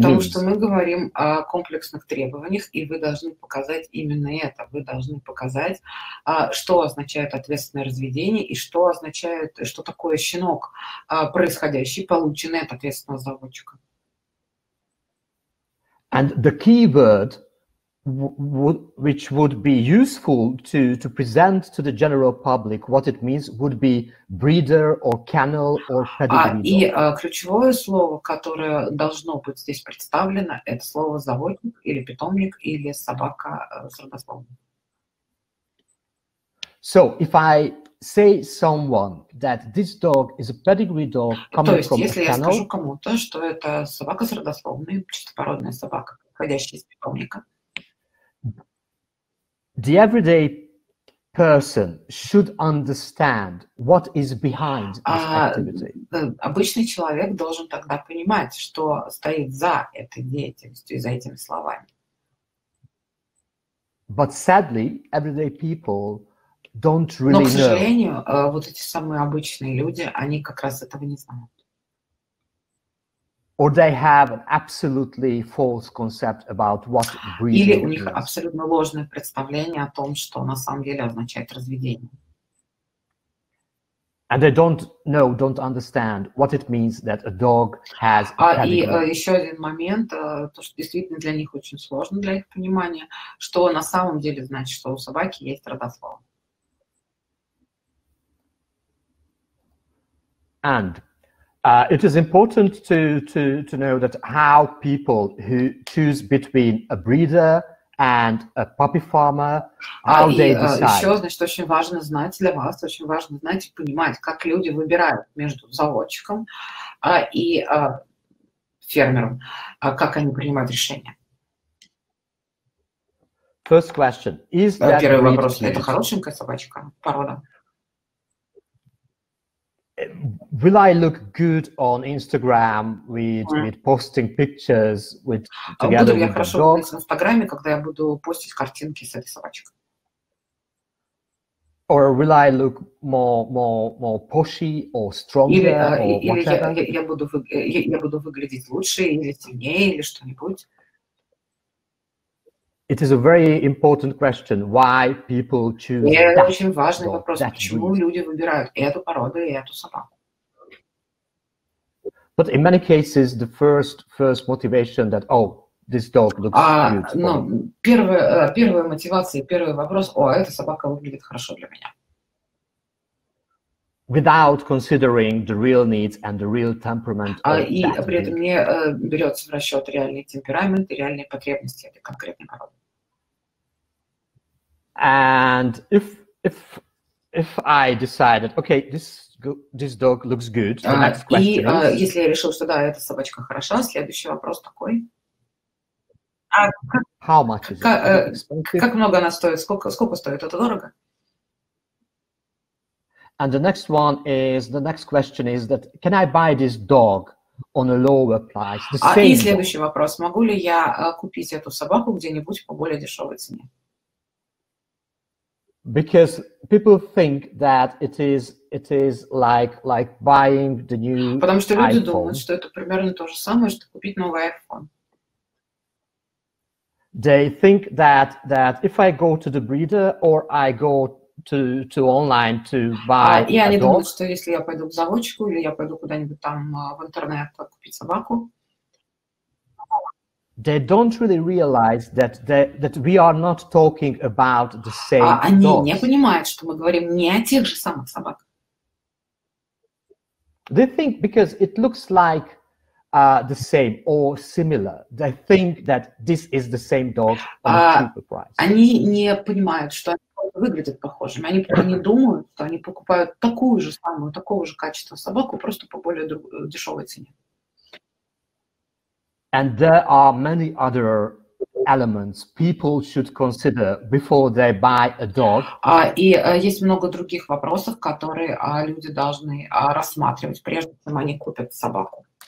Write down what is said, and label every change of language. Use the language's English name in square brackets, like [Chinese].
[Russian] потому [English] means. [Russian] Что мы говорим о комплексных требованиях, и вы должны показать именно это. Вы должны показать, что означает ответственное разведение и что означает, что такое щенок, происходящий, полученный от ответственного заводчика. [English] And the key word which would be useful to present to the general public what it means would be breeder or kennel or pedigree. [Russian] И ключевое слово, которое должно быть здесь представлено, это слово заводник или питомник или собака с родословной. [English] So if I say someone that this dog is a pedigree dog coming from a kennel. [Russian] То есть если я скажу кому-то, что это собака с родословной, чистопородная собака, происходящая из питомника. [English] The everyday person should understand what is behind this activity. [Russian] Обычный человек должен тогда понимать, что стоит за этой деятельностью и за этими словами. [English] But sadly, everyday people don't really know. [Russian] Но, к сожалению, вот эти самые обычные люди, они как раз этого не знают. [English] Or they have an absolutely false concept about what breeding is. [Russian] Или у них абсолютно ложное представление о том, что на самом деле означает разведение. [English] And they don't understand what it means that a dog has a pedigree. [Russian] И еще один момент, то, что действительно для них очень сложно, для их понимания, что на самом деле значит, что у собаки есть родословие. [English] And it is important to know that how people who choose between a breeder and a puppy farmer, how they decide. [Russian] Еще, значит, очень важно знать для вас, очень важно знать и понимать, как люди выбирают между заводчиком и фермером, как они принимают решения. [English] First question. Is that [Russian] первый вопрос. Это хорошенькая собачка, порода? [English] Will I look good on Instagram with posting pictures with together with the dog? [Russian] Буду ли я хорошо в Инстаграме, когда я буду постить картинки с этой собачкой? [English] Or will I look more pushy or stronger [Russian] или, [English] or whatever? [Russian] Или я буду выглядеть лучше или сильнее или что-нибудь? [English] It is a very important question why people choose. [Russian] Это очень важный вопрос, почему люди выбирают эту породу и эту собаку. [English] But in many cases, the first motivation that this dog looks cute. [Russian] Ну, первая мотивация, первый вопрос: о, эта собака выглядит хорошо для меня. [English] Without considering the real needs and the real temperament. [Russian] И при этом не берется в расчет реальный темперамент и реальные потребности этой конкретной породы. [English] And if I decided, okay, this dog looks good. The next question. [Russian] И если я решил, что да, эта собачка хороша, следующий вопрос такой. [English] How much is it? [Russian] Как много она стоит? Сколько стоит? Это дорого? [English] And the next question is that can I buy this dog on a lower price? The same. [Russian] И следующий вопрос: могу ли я купить эту собаку где-нибудь по более дешевой цене? [English] Because people think that it is like buying the new iPhone. [Russian] Потому что люди думают, что это примерно то же самое, что купить новый iPhone. [English] They think that if I go to the breeder or I go to online to buy a dog. [Russian] И они думают, что если я пойду к заводчику или я пойду куда-нибудь там в интернет купить собаку. [English] they don't really realize that that we are not talking about the same dogs. [Russian] Они не понимают, что мы говорим не о тех же самых собаках. [English] They think because it looks like the same or similar. They think that this is the same dog on a cheaper price. [Russian] Они не понимают, что они выглядят похожими. Они просто не думают, что они покупают такую же самую, такого же качества собаку просто по более дешевой цене. [English] And there are many other elements people should consider before they buy a dog. [Russian] Есть много других вопросов, которые люди должны рассматривать, прежде чем они купят собаку.